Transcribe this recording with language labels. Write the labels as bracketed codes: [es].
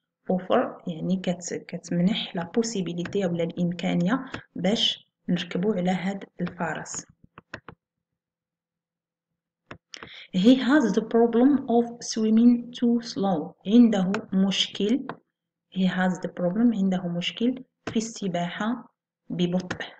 [ar] Offer يعني كتمنح [en] la possibility [ar] أو الإمكانية باش نركبوا على هاد الفرس. [en] He has the problem of swimming too slow. [ar] عنده مشكل. [en] He has the problem. [ar] عنده مشكل في السباحة ببطء.